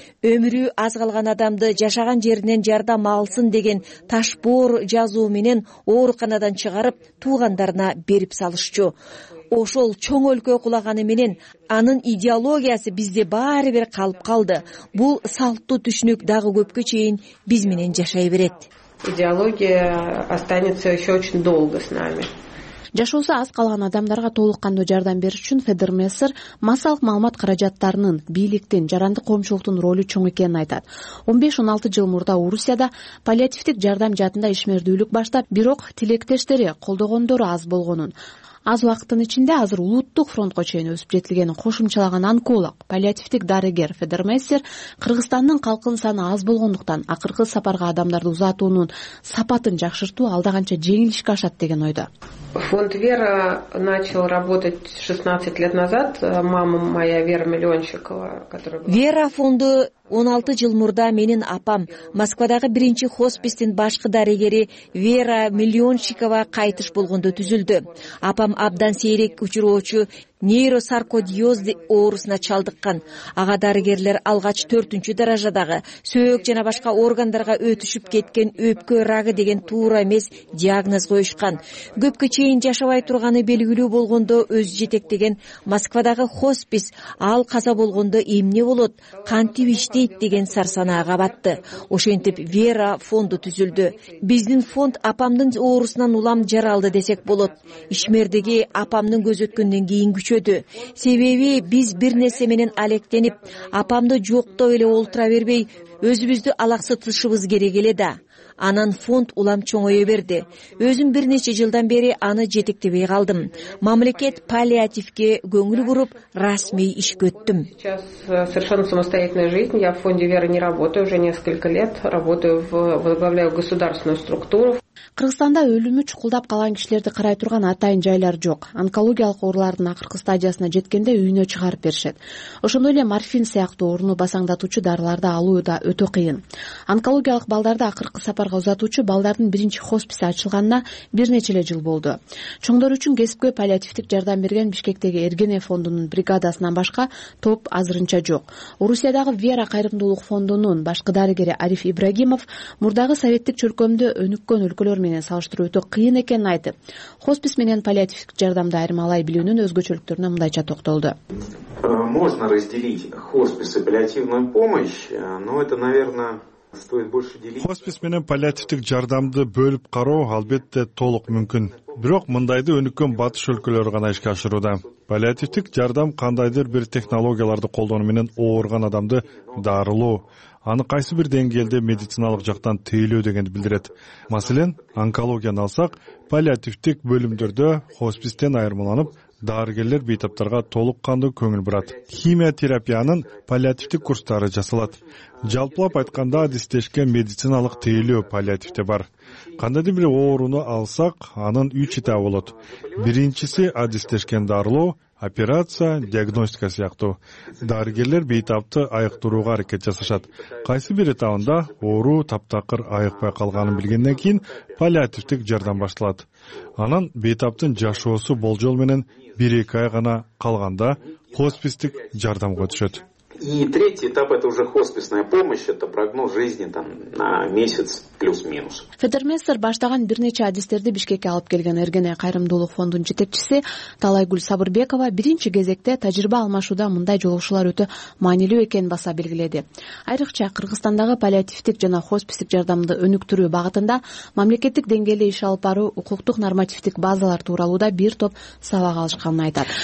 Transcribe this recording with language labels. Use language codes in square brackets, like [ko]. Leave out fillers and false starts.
[ky] Өмүрү аз калган адамды жашаган жеринен жардам алсын деген ташбоор жазуу менен ооруканадан чыгарып туугандарына берип салышчу. Ошол чоң өлкө кулаганы менен анын идеологиясы бизде баары бир калып калды. Бул салттуу түшүнүк дагы көпкө чейин биз менен жашай берет. [ru] Идеология останется еще очень долго с нами. [ky] Жашоосу аз калган адамдарга толуккандуу жардам бериш үчүн Федермессер массалык маалымат каражаттарынын, бийликтин, жарандык коомчулуктун ролу чоң экенин айтат. 15-16 жыл мурда Орусияда паллиативдик жардам жаатында ишмердүүлүк баштап, бирок тилектештери, колдогондору аз болгонун, аз убакыттын ичинде азыр улуттук фронтко чейин өсүп жетилгенин кошумчалаган онколог, паллиативдик дарыгер Федермессер Кыргызстандын калкынын саны аз болгондуктан акыркы сапарга адамдарды узатуунун сапатын жакшыртуу алда канча жеңилишке ашат деген ойдо. [ru] Фонд Вера начал работать 16 лет назад. Мама моя Вера Миллионщикова, которая [ky] Вера фонду 16 жыл мурда менин апам Москвадагы биринчи хосписттин башкы дарыгери Вера Миллионщикова кайтыш болгондо түзүлдү. Апам абдан сейрек учуроочу нейросаркодиоз оорусуна чалдыккан. Ага дарыгерлер алгач 4-чү даражадагы сөөк жана башка органдарга өтүшүп кеткен өпкө рагы деген туура эмес диагноз коюшкан. Көпкө чейин жашабай турганы белгилүү болгондо өзү жетектеген Москвадагы хоспис ал каза болгондо эмне болот, кантип иштейт деген сарсанаага батты. Ошентип Вера фонду түзүлдү. Биздин фонд апамдын оорусунан улам жаралды десек болот. Ишмердиги апамдын көзөткөндөн кийин күчөдү. Себеби биз бир нерсе менен алектенип, апамды жоктоп эле олтура бербей, өзүбүздү алаксытышыбыз керек эле да. Анан фонд улам чоңое берди. Өзүм бир нече жылдан бери аны жетектебей калдым. Мамлекет паллиативге көңүл буруп, расмий ишке өттүм. [ru] Сейчас совершенно самостоятельная жизнь. Я в фонде Веры не работаю уже несколько лет. Работаю в возглавляю государственную структуру. [ky] Кыргызстанда өлүмү чукулдап калган кишилерди карай турган атайын жайлар жок. Онкологиялык оорулардын акыркы стадиясына жеткенде үйүнө чыгарып беришет. Ошондой эле морфин сыяктуу ооруну басаңдатуучу дарыларды алуу да өтө кыйын. Онкологиялык балдарды акыркы сапарга узатуучу балдардын биринчи хосписи ачылганына бир нече эле жыл болду. Чоңдор үчүн кесипке паллиативдик жардам берген Бишкектеги Эргене фондунун бригадасынан башка топ азырынча жок. Орусиядагы Вера кайрымдуулук фондунун башкы дарыгери Ариф Ибрагимов мурдагы советтик чөлкөмдө өнүккөн өлкөлөр менен салыштыруу өтө кыйын экенин айтып, хоспис менен паллиативдик жардамды айырмалай билүүнүн өзгөчөлүктөрүнө мындайча токтолду. [ru] Можно разделить хоспис и паллиативную помощь, но это, наверное, [ky] хоспис менен паллиативдик жардамды бөлүп кароо албетте толук мүмкүн. Бирок мындайды өнүккөн батыш өлкөлөрү гана ишке ашырууда. Паллиативдик жардам кандайдыр бир технологияларды колдонуу менен ооруган адамды дарылоо, аны кайсы бир деңгээлде медициналык жактан тейлөө дегенди билдирет. Маселен, онкологияны алсак, паллиативдик бөлүмдөрдө хосписттен айырмаланып, дарыгерлер бейтаптарга толук кандуу көңүл бурат. Химиотерапиянын паллиативдик курстары жасалат. Жалпылап айтканда адистешкен медициналык тейлөө паллиативде бар. Кандайдыр бир ооруну алсак, анын 3 этабы болот. Биринчиси адистешкен дарылоо, операция, диагностика сыяктуу. Дарыгерлер бейтапты айыктырууга аракет жасашат. Кайсы бир этабында оору таптакыр айыкпай калганын билгенден кийин паллиативдик жардам башталат. Анан бейтаптын жашоосу болжол менен 1-2 ай гана калганда хосписттик жардамга түшөт. [ru] И третий этап это уже хосписная помощь, это прогноз жизни там на месяц плюс-минус. [ky] Федермейстер баштаган бир нече адистерди Бишкекке алып келген Эргене кайрымдуулук фондун жетекчиси Талайгүл Сабырбекова биринчи кезекте тажрыйба алмашууда мындай жолугушуулар өтө маанилүү экенин баса белгиледи. Айрыкча Кыргызстандагы паллиативдик жана хосписттик жардамды өнүктүрүү багытында мамлекеттик деңгээлде иш алып баруу укуктук нормативдик базалар тууралуу да бир топ сабак алышканын айтат.